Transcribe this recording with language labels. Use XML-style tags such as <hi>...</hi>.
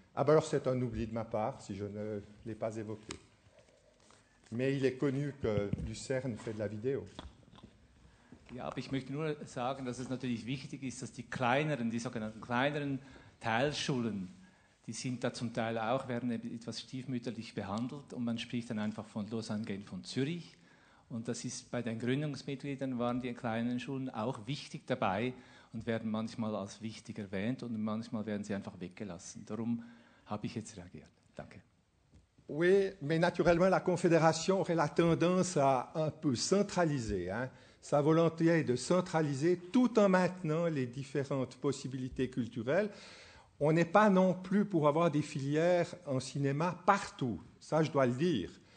<fr>Ah ben alors, c'est un oubli de ma part, si je ne l'ai pas évoqué. Mais il est connu que Lucerne fait de la vidéo.</fr> <de>Ja, aber ich möchte nur sagen, dass es natürlich wichtig ist, dass die kleineren, die sogenannten kleineren Teilschulen, die sind da zum Teil auch, werden etwas stiefmütterlich behandelt und man spricht dann einfach von los angehend von Zürich. Und das ist bei den Gründungsmitgliedern, waren die kleinen Schulen auch wichtig dabei und werden manchmal als wichtig erwähnt und manchmal werden sie einfach weggelassen. Darum habe ich jetzt reagiert. Danke.</de> <fr>Oui, mais naturellement la Confédération aurait la tendance à un peu centraliser, hein. Sa volonté est de centraliser tout en maintenant les différentes possibilités culturelles. On n'est pas non plus pour avoir des filières en cinéma partout, ça je dois le dire.</fr>